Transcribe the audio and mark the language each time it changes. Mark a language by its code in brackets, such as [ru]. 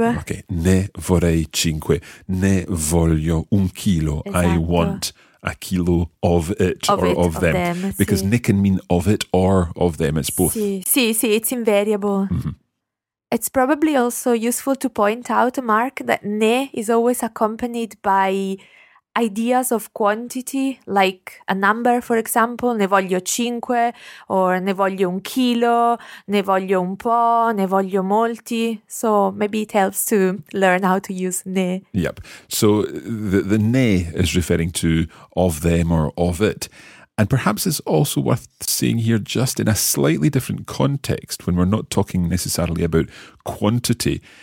[it] Okay, ne vorrei cinque. Ne voglio un chilo. Esatto. [en] I want a kilo of it of or it, of them. Them. Because [it] sì. [en] Ne can mean of it or of them. It's both. [it] Sì, sì, sì, [en] it's invariable. Mm-hmm. It's probably also useful to point out, Mark, that ne is always accompanied by... ideas of quantity, like a number, for example, [it] ne voglio cinque, [en] or [it] ne voglio un chilo, ne voglio un po', ne voglio molti. [en] So maybe it helps to learn how to use ne. Yep. So the ne is referring to of them or of it. And perhaps it's also worth seeing here just in a slightly different context when we're not talking necessarily about quantity.